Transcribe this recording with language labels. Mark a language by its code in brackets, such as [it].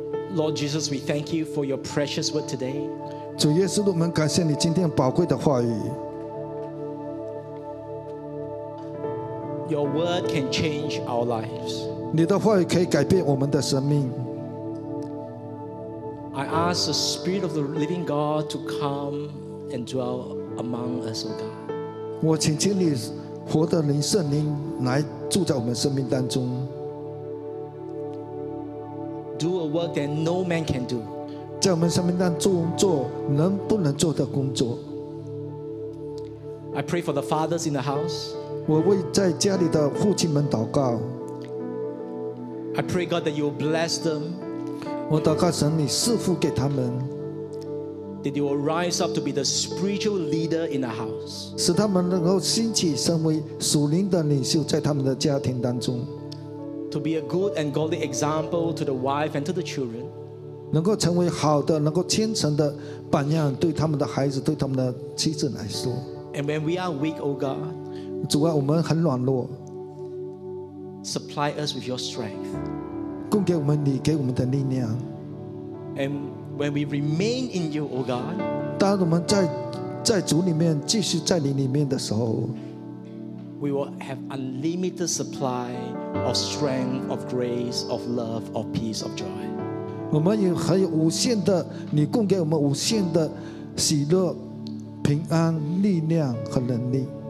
[en] Lord Jesus, we thank you for your precious word today. [zh] 主耶稣，我们感谢你今天宝贵的话语。 [en] Your word can change our lives. [zh] 你的话语可以改变我们的生命。 [en] I ask the Spirit of the Living God to come and dwell among us, O God. [zh] 我请求你，活的灵圣灵来住在我们生命当中。 [en] Do a work that no man can do. [zh] 在我们生命当中做能不能做的工作。 [en] I pray for the fathers in the house. [zh] 我为在家里的父亲们祷告。 [en] I pray God that you will bless them. [zh] 我祷告神，你赐福给他们。 [en] That they will rise up to be the spiritual leader in the house. [zh] 使他们能够兴起，成为属灵的领袖，在他们的家庭当中。 [en] To be a good and godly example to the wife and to the children. [zh] 能够成为好的、能够虔诚的榜样，对他们的孩子、对他们的妻子来说。 [en] And when we are weak, O God. [zh] 主啊，我们很软弱。 [en] Supply us with your strength. [zh] 供给我们你给我们的力量。 [en] And when we remain in you, O God, [zh] 当我们在主里面继续在你里面的时候 [en] ，we will have unlimited supply of strength, of grace, of love, of peace, of joy. [zh] 我们也还有无限的，你供给我们无限的喜乐、平安、力量和能力。